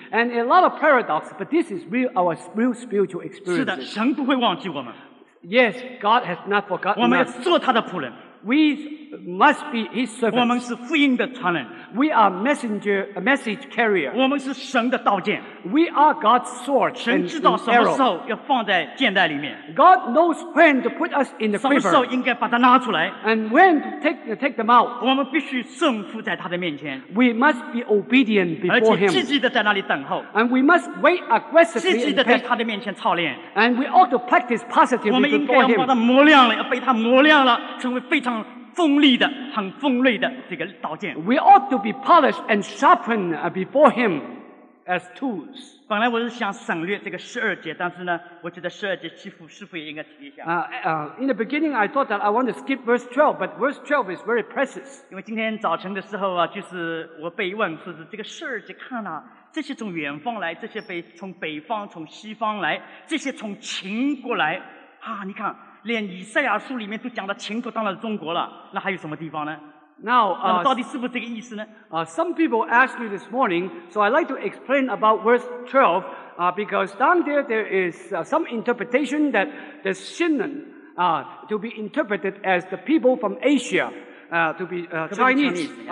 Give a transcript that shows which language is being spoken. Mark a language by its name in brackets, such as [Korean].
[English] And a lot of paradox, but this is real, our real spiritual experience. [Chinese] 是的，神不会忘记我们。 [English] Yes, God has not forgotten us. [Chinese] 我们要做他的仆人。 [English] We must be his servants. [Chinese] 我们是福音的传人。 [English] We are messenger, a message carrier. [Chinese] 我们是神的刀剑。 [English] We are God's sword and arrow. [Chinese] 神知道什么时候要放在箭袋里面。 [English] God knows when to put us in the quiver. [Chinese] 什么时候应该把它拿出来。 [English] And when to take them out. [Chinese] 我们必须顺服在他的面前。 [English] We must be obedient before him. [Chinese] 而且积极地在那里等候。 [English] And we must wait aggressively. [Chinese] 积极地在他的面前操练。 [English] And we ought to practice positively before him. [Chinese] 我们应该要把它磨亮了，要被他磨亮了，成为非常锋利的、很锋利的这个刀剑。 [English] We ought to be polished and sharpened before him as tools. [Chinese] 本来我是想省略这个十二节，但是呢，我觉得十二节师傅也应该提一下。 [English] In the beginning, I thought that I want to skip verse 12, but verse 12 is very precious. [Chinese] 因为今天早晨的时候啊，就是我被问说是这个十二节看了、啊。这些从远方来，这些从北方、从西方来，这些从秦国来啊！你看，连以赛亚书里面都讲到秦国，当然是中国了，那还有什么地方呢？ [English] Now, [Chinese] 那么到底是不是这个意思呢？ [English] Some people asked me this morning, so I'd like to explain about verse 12, because down there is some interpretation that the Shinan to be interpreted as the people from Asia, to be Chinese.